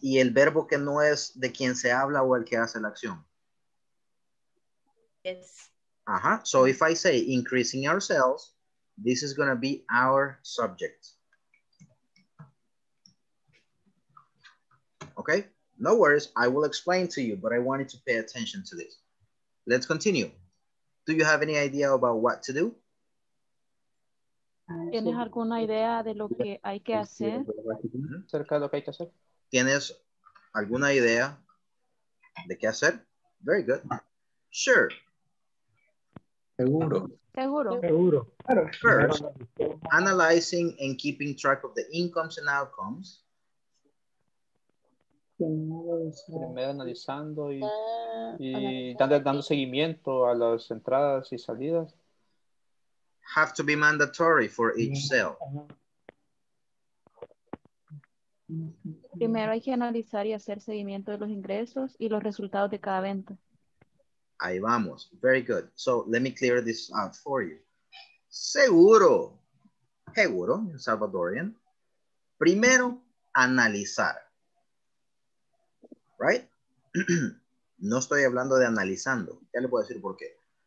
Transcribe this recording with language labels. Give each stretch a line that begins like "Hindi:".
Spanish: Y el verbo que no es de quien se habla o el que hace la acción.
English: Yes. Ajá. So if I say increasing our sales, this is going to be our subject. Okay. No worries, I will explain to you, but I wanted to pay attention to this. Let's continue. Do you have any idea about what to do?
Spanish: ¿Tienes alguna idea de lo que hay que hacer? ¿Cerca de lo que hay que hacer? ¿Tienes alguna idea de qué hacer?
English: Very good. Sure.
Spanish: Seguro.
English: First, analyzing and keeping track of the incomes and outcomes.
Spanish: Primero analizando y dando seguimiento a las entradas y salidas.
English: Have to be mandatory for each sale.
Spanish: Primero hay que analizar y hacer seguimiento de los ingresos y los resultados de cada venta. Ahí vamos.
English: Very good. So let me clear this out for you.
Spanish: Seguro. Seguro, en Salvadorian. Primero, analizar. Right? No estoy hablando de analizando. Ya le puedo decir por qué.